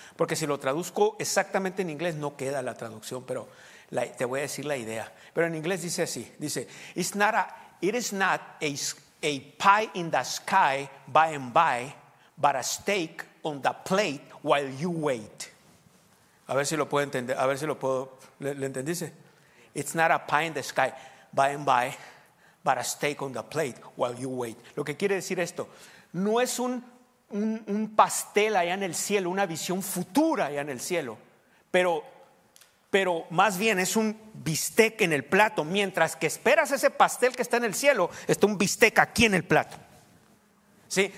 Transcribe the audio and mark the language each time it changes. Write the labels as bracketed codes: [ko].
[es] Porque si lo traduzco exactamente en inglés no queda la traducción, pero te voy a decir la idea. Pero en inglés dice así, dice, [en] it is not a pie in the sky by and by, but a steak on the plate while you wait. [es] A ver si lo puedo entender, a ver si lo puedo, ¿le entendiste? [en] It's not a pie in the sky by and by, but a steak on the plate while you wait. [es] Lo que quiere decir esto, no es un pastel allá en el cielo, una visión futura allá en el cielo, pero más bien es un bistec en el plato. Mientras que esperas ese pastel que está en el cielo, está un bistec aquí en el plato. ¿Sí?